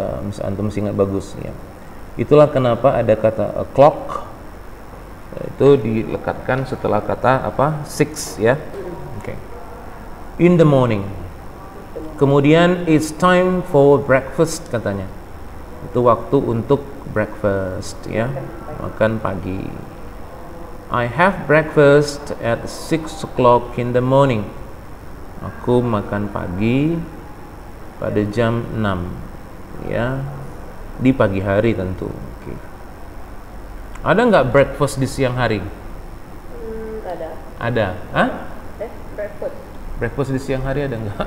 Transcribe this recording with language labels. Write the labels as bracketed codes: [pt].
[id] Mas Antum ingat bagus ya. Itulah kenapa ada kata o'clock, itu dilekatkan setelah kata apa? [en] Six ya. Okay. In the morning. Kemudian it's time for breakfast katanya. [id] Itu waktu untuk breakfast ya, makan pagi. [en] I have breakfast at 6 o'clock in the morning. [id] Aku makan pagi pada jam 6 ya, di pagi hari tentu. Okay. Ada enggak breakfast di siang hari? Ada. Ada. Hah? [en] Breakfast. [id] Breakfast di siang hari ada enggak?